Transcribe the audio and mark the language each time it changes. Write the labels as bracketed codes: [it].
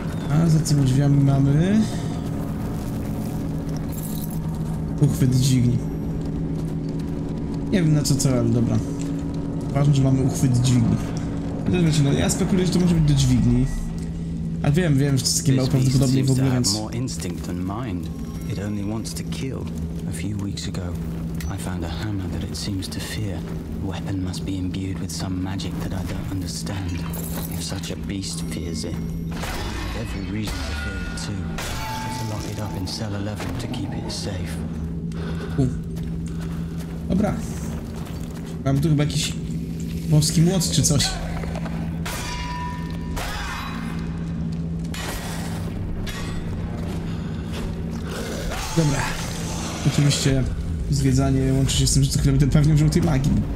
[pl] A za tymi drzwiami mamy... uchwyt dźwigni. Nie wiem na co to, ale dobra. Ważne, że mamy uchwyt dźwigni. Wiecie, no ja spekuluję, że to może być do dźwigni. A wiem, że to jest takie mało prawdopodobnie w ogóle, więc... [en] more instinct than mind. It only wants to kill. A few weeks ago, I found a hammer that it seems to fear. Weapon must be imbued with some magic that I don't understand. If such a beast fears it, every reason to fear it too. To lock it up in cell 11 to keep it safe. [pl] Dobra. Mam tu chyba jakiś boski młot czy coś. Dobra. Oczywiście zwiedzanie łączy się z tym, że to chyba będę pewnie żółtej magii.